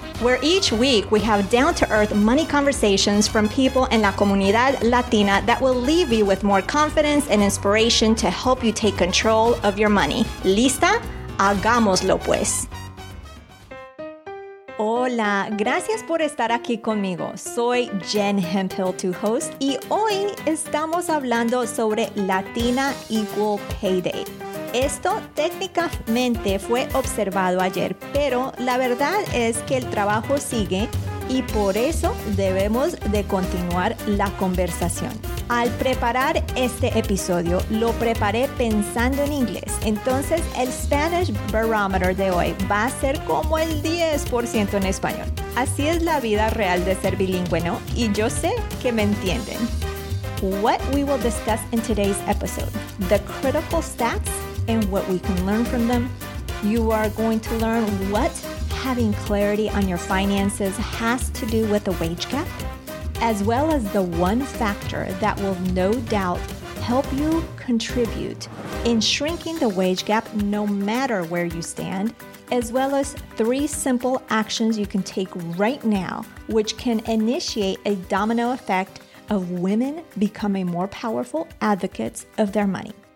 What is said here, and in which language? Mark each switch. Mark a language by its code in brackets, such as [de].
[en] Where each week we have down-to-earth money conversations from people in [es] la comunidad latina [en] that will leave you with more confidence and inspiration to help you take control of your money. [es] ¿Lista? Hagámoslo pues. Hola, gracias por estar aquí conmigo. Soy Jen Hemphill, tu host, y hoy estamos hablando sobre Latina Equal Pay Day. Esto técnicamente fue observado ayer, pero la verdad es que el trabajo sigue y por eso debemos de continuar la conversación. Al preparar este episodio, lo preparé pensando en inglés. Entonces, el Spanish Barometer de hoy va a ser como el 10% en español. Así es la vida real de ser bilingüe, ¿no? Y yo sé que me entienden. [en] What we will discuss in today's episode: the critical stats and what we can learn from them. You are going to learn what having clarity on your finances has to do with the wage gap, as well as the one factor that will no doubt help you contribute in shrinking the wage gap no matter where you stand, as well as three simple actions you can take right now which can initiate a domino effect of women becoming more powerful advocates of their money.